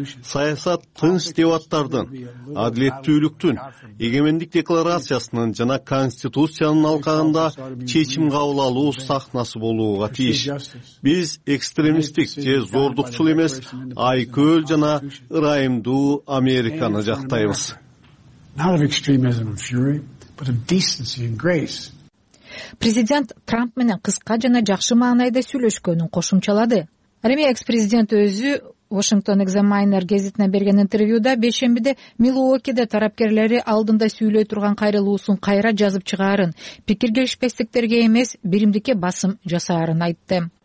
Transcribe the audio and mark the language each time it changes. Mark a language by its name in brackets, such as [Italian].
[Kyrgyz] Саясат тынч дебаттардын, адилеттүүлүктүн, эгемендик декларациясынын жана конституциянын алкагында чечим кабыл алуу сахнасы болууга тийиш. Биз экстремисттик же зордукчул эмес, айкөөл жана ырайымдуу Американы жактайбыз. [English] Not of extremism and fury, but of decency and grace. [Kyrgyz] Президент Трамп менен кыска жана жакшы маанайда сүйлөшкөнүн кошумчалады. Ал эми экс-президент өзү Washington Examiner гезитине берген интервьюда бешембиде Милуокиде тарапкерлери алдында сүйлөй турган кайрылуусун кайра жазып чыгаарын, пикир келишпестиктерге эмес, биримдикке басым жасаарын айтты.